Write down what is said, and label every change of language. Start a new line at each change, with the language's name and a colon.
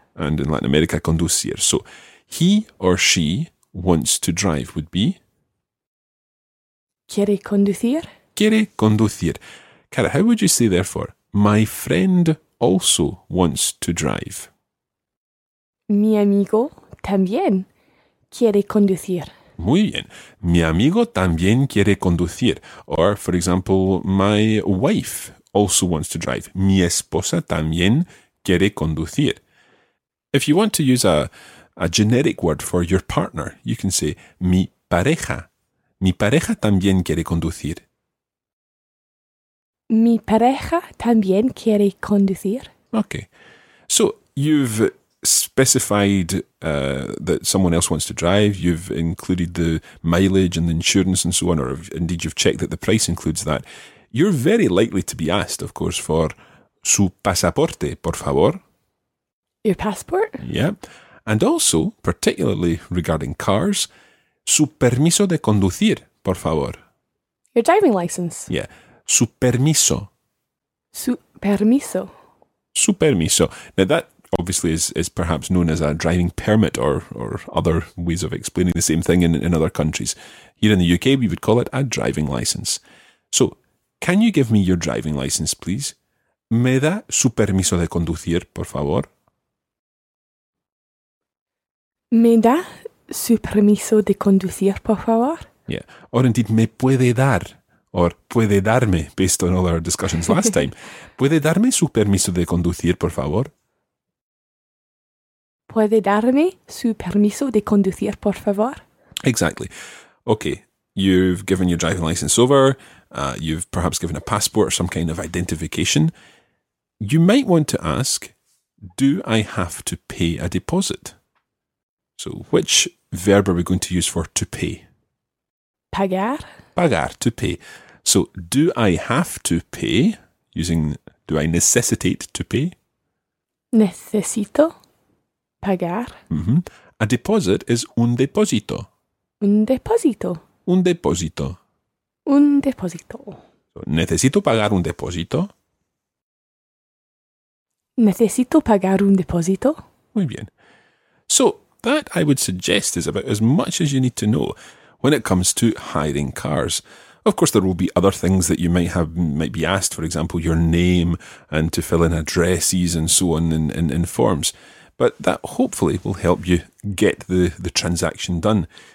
English: And in Latin America, conducir. So he or she wants to drive would be?
Spanish: Quiere conducir. Quiere conducir.
English: Cara, how would you say therefore, my friend also wants to drive?
Spanish: Mi amigo también quiere conducir. Muy bien. Mi amigo también quiere conducir.
English: Or, for example, my wife also wants to drive.
Spanish: Mi esposa también quiere conducir.
English: If you want to use a generic word for your partner, you can say mi pareja.
Spanish: Mi pareja también quiere conducir. Mi pareja también quiere conducir.
English: Okay. So, you've specified that someone else wants to drive, you've included the mileage and the insurance and so on, or indeed you've checked that the price includes that, you're very likely to be asked, of course, for
Spanish: su pasaporte, por favor.
English: Your passport? Yeah. And also, particularly regarding cars,
Spanish: su permiso de conducir, por favor.
English: Your driving license?
Spanish: Yeah. Su permiso. Su permiso. Su permiso.
English: Now that obviously is perhaps known as a driving permit or other ways of explaining the same thing in other countries. Here in the UK, we would call it a driving license. So, can you give me your driving license, please?
Spanish: ¿Me da su permiso de conducir, por favor? ¿Me da su permiso de conducir, por favor? Yeah.
English: Or indeed,
Spanish: ¿me puede dar? Or ¿puede darme?
English: Based on all our discussions last time.
Spanish: ¿Puede darme su permiso de conducir, por favor? ¿Puede darme su permiso de conducir, por favor?
English: Exactly. Okay, you've given your driving license over. You've perhaps given a passport or some kind of identification. You might want to ask, do I have to pay a deposit? So which verb are we going to use for to pay?
Spanish: Pagar.
English: Pagar, to pay. So do I have to pay, using do I necessitate to pay?
Spanish: Necesito. Pagar.
English: Mm-hmm. A deposit is un depósito.
Spanish: Un depósito. Un depósito. Un depósito. So, necesito pagar un depósito. Necesito pagar un depósito. Muy bien.
English: So, that I would suggest is about as much as you need to know when it comes to hiring cars. Of course, there will be other things that you might have might be asked, for example, your name and to fill in addresses and so on in forms. But that hopefully will help you get the transaction done.